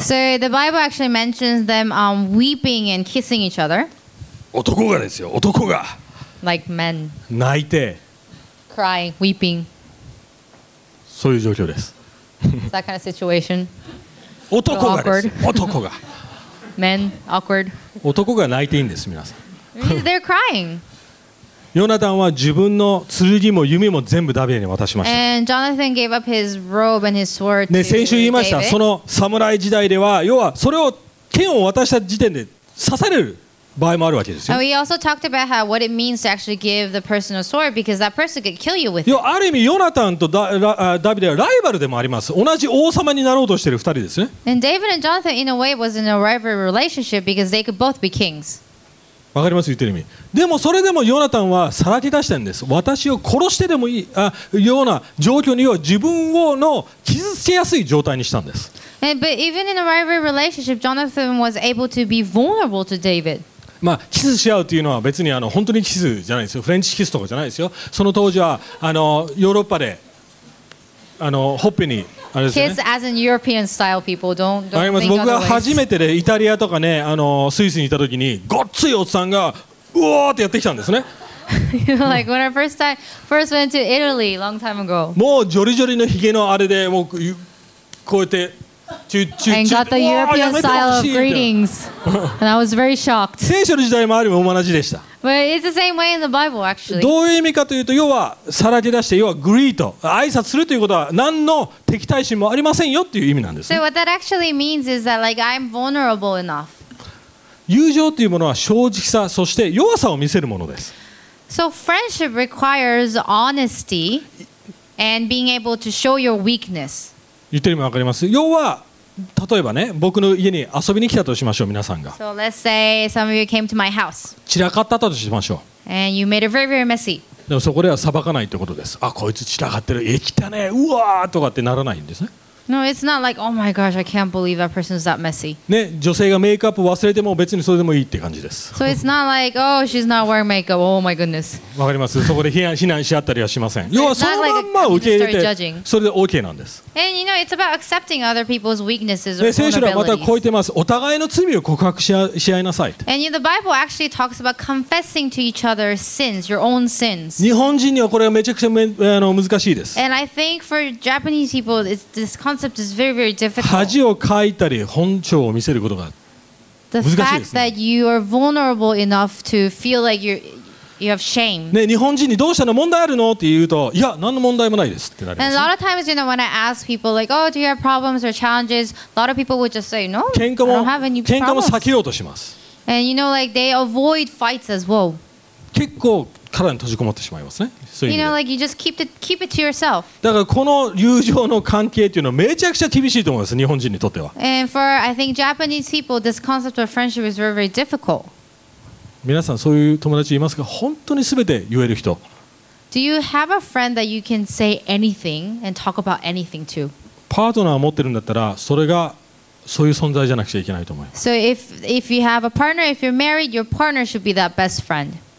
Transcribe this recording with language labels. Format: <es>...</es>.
<en>So the Bible actually mentions them weeping and kissing each other.</en> <ja>男がですよ、男が。</ja> <en>Like men.</en> <ja>泣いて。</ja> <en>Crying, weeping.</en> <ja>そういう状況です。</ja> <en>Is that kind of situation?</en> <ja>男がです。Awkward. 男が。</ja> <en>Men, awkward.</en> <ja>男が泣いていいんです、皆さん。</ja> <en>They're crying.</en> <ja>ヨナタンは自分の剣も弓も全部ダビデに渡しました。</ja> <en>And Jonathan gave up his robe and his sword to David.</en> <ja>ね、先週言いました。その侍時代では、要はそれを剣を渡した時点で刺される場合もあるわけですよ。</ja> <en>And we also talked about how what it means to actually give the person a sword because that person could kill you with it.</en> <ja>ある意味ヨナタンとダビデはライバルでもあります。同じ王様になろうとしている二人ですね。</ja> <en>And David and Jonathan in a way was in a rival relationship because they could both be kings.</en> <ja>わかります言ってる意味。でもそれでもヨナタンはさらけ出したんです。私を殺してでもいいような状況には自分をの傷つけやすい状態にしたんです。</ja> <en>And, but even in a rival relationship, Jonathan was able to be vulnerable to David.</en> <ja>まあ、キスし合うというのは別にあの本当にキスじゃないですよ。フレンチキスとかじゃないですよ。その当時はあのヨーロッパであのほっぺにあれですね。</ja> <en>Kiss as in European style people. Don't think otherwise.</en> <ja>僕が初めてでイタリアとかね、あのスイスにいた時にごっついおっさんがうおーってやってきたんですね。</ja> <en>Like when I first went to Italy long time ago.</en> <ja>もうジョリジョリのひげのあれでもうこうやって。</ja> <en>And got the European style of greetings. And I was very shocked.</en> <ja>聖書の時代もあるも同じでした。</ja> <en>But it's the same way in the Bible, actually.</en> <ja>どういう意味かというと、要はさらけ出して、要はグリート、挨拶するということは何の敵対心もありませんよという意味なんですね。</ja> <en>So what that actually means is that, like, I'm vulnerable enough.</en> <ja>友情というものは正直さ、そして弱さを見せるものです。</ja> <en>So friendship requires honesty and being able to show your weakness.</en> <ja>言ってるのも分かります。要は例えばね、僕の家に遊びに来たとしましょう、皆さんが。</ja> <en>So let's say some of you came to my house.</en> <ja>散らかったとしましょう。</ja> <en>And you made it very, very messy.</en> <ja>でもそこでは裁かないということです。あ、こいつ散らかってる。え、汚ね。うわーとかってならないんですね。</ja> <en>No, it's not like, oh my gosh, I can't believe that person's that messy.</en> <ja>ね、女性がメイクアップ忘れても別にそれでもいいって感じです。</ja> <en>So it's not like, oh, she's not wearing makeup. Oh my goodness.</en> <ja>わかります。そこで非難し合ったりはしません。要はそのまんま受け入れて、それで OK なんです。</ja> <en>And you know, it's about accepting other people's weaknesses or vulnerabilities.</en> <ja>聖書ではまた超えてます。お互いの罪を告白し合いなさい。</ja> <en>And you know, the Bible actually talks about confessing to each other sins, your own sins.</en> <ja>日本人にはこれはめちゃくちゃめ、あの、難しいです。</ja> <en>And I think for Japanese people, it's this concept. Very, very</en> <ja>恥をかいたり本性を見せることが難しいですね。</ja> <en>The fact that you are vulnerable enough to feel like you have shame.</en> <ja>ね、日本人にどうしたの問題あるのって言うと、いや、何の問題もないですってなります、ね。</ja> <en>And a lot of times, you know, when I ask people like, oh, do you have problems or challenges? A lot of people would just say, no, I don't have any problems.</en> <ja>喧嘩も避けようとします。</ja> <en>And you know, like they avoid fights as well.</en> <ja>結構体に閉じこもってしまいますね。</ja> <en>You know, like you just keep it to yourself.</en> <ja>だからこの友情の関係っていうのはめちゃくちゃ厳しいと思います。日本人にとっては。</ja> <en>And for I think Japanese people, this concept of friendship is very, very difficult.</en> <ja>皆さんそういう友達いますか？本当にすべて言える人。</ja> <en>Do you have a friend that you can say anything and talk about anything to?</en> <ja>パートナーを持ってるんだったら、それがそういう存在じゃなくちゃいけないと思います。</ja> <en>So if you have a partner, if you're married, your partner should be that best friend.</en>